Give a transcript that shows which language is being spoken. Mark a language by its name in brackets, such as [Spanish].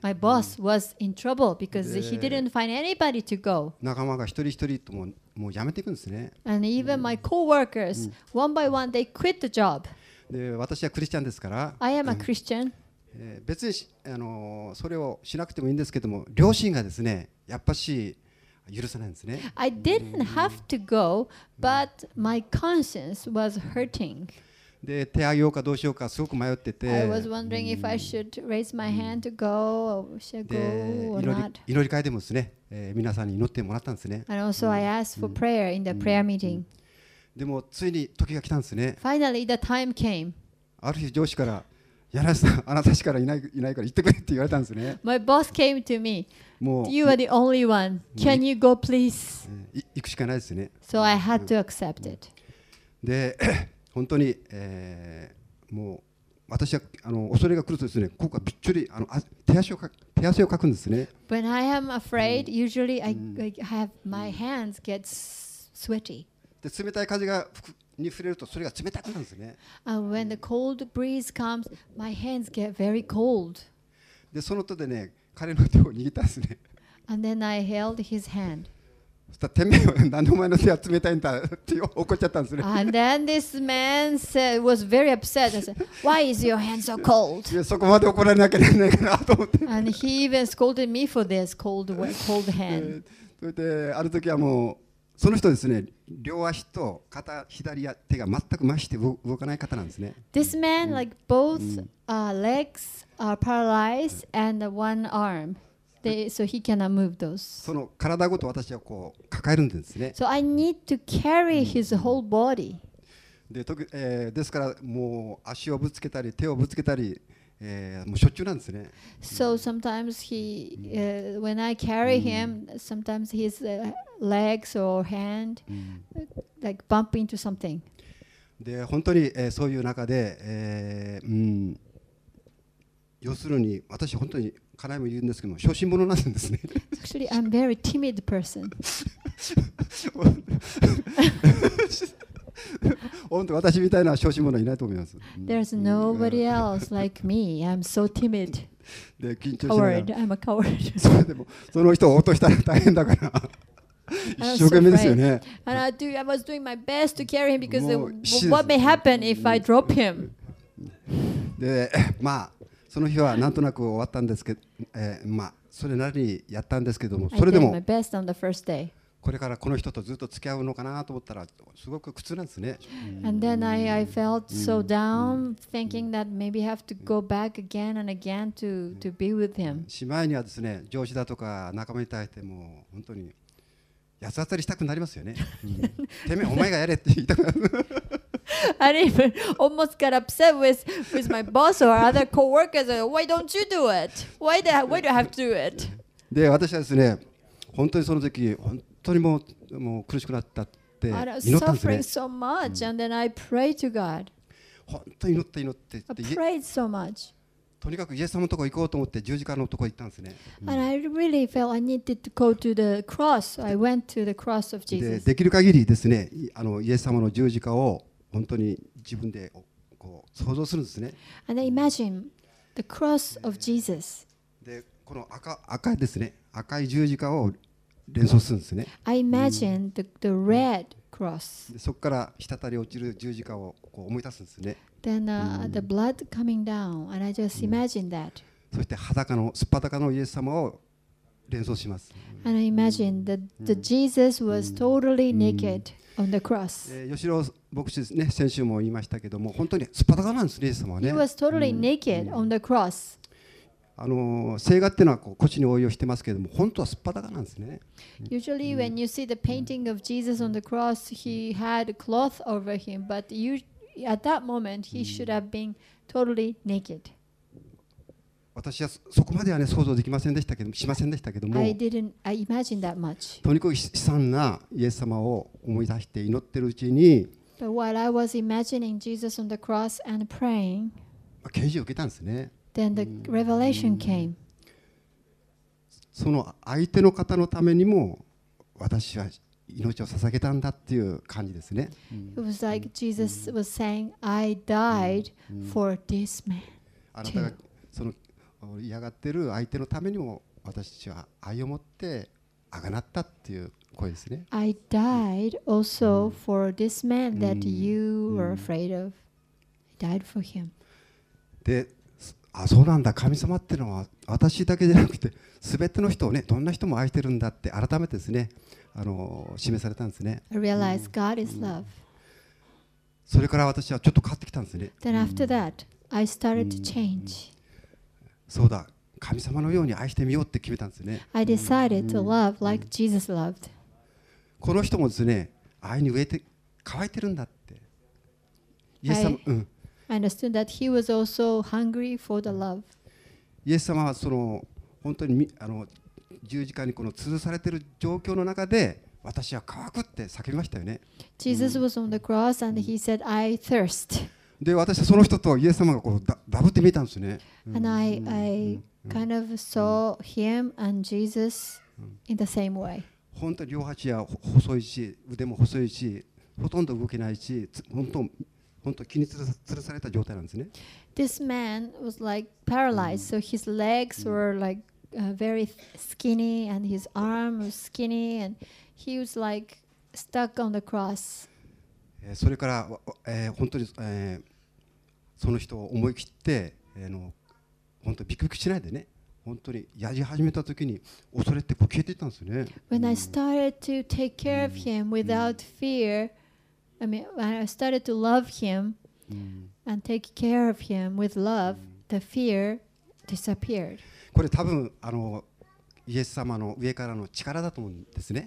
[English] My boss was in trouble because he didn't find anybody to go. [Japanese] 仲間が一人一人とも、もう辞めていくんですね。 [English] And even my coworkers, one by one, they quit the job. [Japanese] で、私はクリスチャンですから。 [English] I am a Christian. [Japanese] 別にそれをしなくてもいいんですけども、両親がですね、やっぱし許さないんですね。 [English] I didn't have to go, but my conscience was hurting. [Japanese] で、手挙げようかどうしようかすごく迷ってて。 [English] I was wondering if I should raise my hand to go or should I go or not. [Japanese] 祈り会でもですね、皆さんに祈ってもらったんですね。 [English] And also I asked for prayer in the prayer meeting. [Japanese] でもついに時が来たんですね。 [English] Finally the time came. [Japanese] ある日上司から、柳瀬さん、あなたしかいないから行ってくれって言われたんですね。 [English] My boss came to me. You are the only one. Can you go, please? [Japanese] 行くしかないですね。 [English] So I had to accept it. [Japanese] で、本当に、もう私は恐れが来るとですね、ここがびっちょり手汗をかくんですね。 [English] When I am afraid, usually I have my hands get sweaty. [Japanese] で、冷たい風が吹く。に触れるとそれが冷たくなるんですね。 [English] When the cold breeze comes, my hands get very cold. [Japanese] で、その手でね、彼の手を握ったんですね。 [English] And then I held his hand. [Japanese] したら、てめえ、なんでお前の手は冷たいんだって怒っちゃったんですね。 [English] And then this man said, was very upset. I said, why is your hand so cold? [Japanese] そこまで怒られなきゃいけないかなと思って。 [English] And he even scolded me for this cold hand. [Japanese] それで、ある時はもう、その人ですね、両足と肩、左手が全く麻痺して動かない方なんですね。 [English] This man, like both legs are paralyzed and one arm, so he cannot move those. [Japanese] その体ごと私はこう抱えるんですね。 [English] So I need to carry his whole body. [Japanese] ですからもう足をぶつけたり手をぶつけたり、もうしょっちゅうなんですね。 [English] So sometimes he, when I carry him, sometimes his legs or hand, like bump into something. [Japanese] で、本当に、そういう中で、要するに私本当に家内も言うんですけども、小心者なんですね。 [English] Actually, I'm a very timid person. [Japanese] 本当私みたいな小心者いないと思います。 [English] There's nobody else like me. I'm so timid. [Japanese] で、緊張しながら。 [English] I'm a coward. [Japanese] それでもその人を落としたら大変だから。一生懸命ですよね。 [English] And I was doing my best to carry him because what may happen if I drop him? [Japanese] で、まあその日はなんとなく終わったんですけど、まあそれなりにやったんですけども、それでも。 [English] I did my best on the first day. [Japanese] これからこの人とずっと付き合うのかなと思ったらすごく苦痛なんですね。 [English] And then I felt so down, thinking that maybe I have to go back again and again to be with him. [Japanese] しまいにはですね、上司だとか仲間に対しても本当に八つ当たりしたくなりますよね。てめえお前がやれって言いたくなる。 [English] I even almost got upset with my boss or other coworkers. Why don't you do it? Why do you have to do it? [Japanese] で、私はですね、本当にその時本当本当にもう苦しくなったって祈ったんですね。 [English] Suffering so much, and then I prayed to God. [Japanese] 本当に祈って。 [English] I prayed so much. [Japanese] とにかくイエス様のところ行こうと思って十字架のところ行ったんですね。 [English] And I really felt I needed to go to the cross. I went to the cross of Jesus. [Japanese] できる限りですね、イエス様の十字架を本当に自分でこう想像するんですね。 [English] And I imagine the cross of Jesus. [Japanese] で、この赤ですね、赤い十字架を連想するんですね。 [English] I imagine the red cross. [Japanese] そこから滴り落ちる十字架をこう思い出すんですね。 [English] Then the blood coming down, and I just imagine that. [Japanese] そして裸の、すっぱだかのイエス様を連想します。 [English] And I imagine that the Jesus was totally naked on the cross. [Japanese] 吉郎牧師ですね、先週も言いましたけども、本当にすっぱだかなんですね、イエス様はね。 [English] He was totally naked on the cross. [Japanese] 聖画っていうのはこう腰に覆いをしてますけれども、本当はすっぱだかなんですね。 [English] Usually when you see the painting of Jesus on the cross, he had cloth over him, but at that moment he should have been totally naked. [Japanese] 私はそこまではね想像できませんでしたけども、 [English] I didn't imagine that much. [Japanese] とにかく悲惨なイエス様を思い出して祈ってるうちに、 [English] But while I was imagining Jesus on the cross and praying, [Japanese] 啓示を受けたんですね。 [English] Then the revelation came. [Japanese] その相手の方のためにも私は命を捧げたんだっていう感じですね。 [English] It was like Jesus was saying, I died for this man. [Japanese] あなたがその嫌がってる相手のためにも私は愛を持ってあがなったっていう声ですね。 [English] I died also for this man that you were afraid of. I died for him. [Japanese] で、あ、そうなんだ。神様ってのは私だけじゃなくて全ての人をね、どんな人も愛してるんだって改めてですね、示されたんですね。 [English] I realized God is love. [Japanese] それから私はちょっと変わってきたんですね。 [English] Then after that, I started to change. [Japanese] そうだ。神様のように愛してみようって決めたんですね。 [English] I decided to love like Jesus loved. [Japanese] この人もですね、愛に飢えて乾いてるんだって。イエス様、 [English] I understood that he was also hungry for the love. [Japanese] イエス様はその本当に十字架にこの吊るされている状況の中で私は乾くって叫びましたよね。 [English] Jesus was on the cross and he said, I thirst. [Japanese] で、私はその人とイエス様がこうダブって見えたんですね。 [English] And I kind of saw him and Jesus in the same way. [Japanese] 本当に両端は細いし、腕も細いし、ほとんど動けないし、本当気に吊るされた状態なんですね。 [English] This man was like paralyzed, so his legs were like very skinny, and his arm was skinny, and he was like stuck on the cross. [Japanese] それから、本当に、その人を思い切って、本当ビクビクしないでね、本当にやり始めた時に恐れてこう消えていったんですよね。 [English] When I started to take care of him without fear, I mean, when I started to love him and take care of him with love, the fear disappeared. [Japanese] これ多分イエス様の上からの力だと思うんですね。